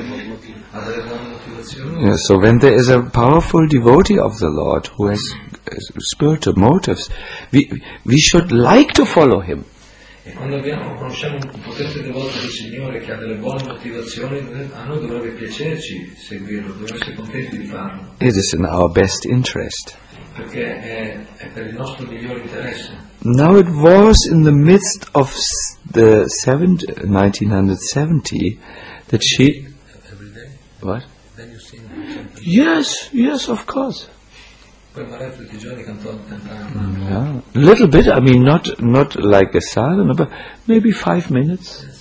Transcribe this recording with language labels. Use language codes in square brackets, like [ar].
[en] So when there is a powerful devotee of the Lord who has spiritual motives, we should like to follow him. [it] E quando conosciamo un potente devoto del Signore che ha delle buone motivazioni, a noi dovrebbe piacerci seguirlo, dovrebbe essere contenti di farlo. [en] It is in our best interest. [it] Perché è per il nostro miglior interesse. [en] Now it was in the midst of the 1970 that she... Every day? What? Then you sing. Yes, of course. Yeah. A little bit, I mean, not like a sadhana, but maybe 5 minutes.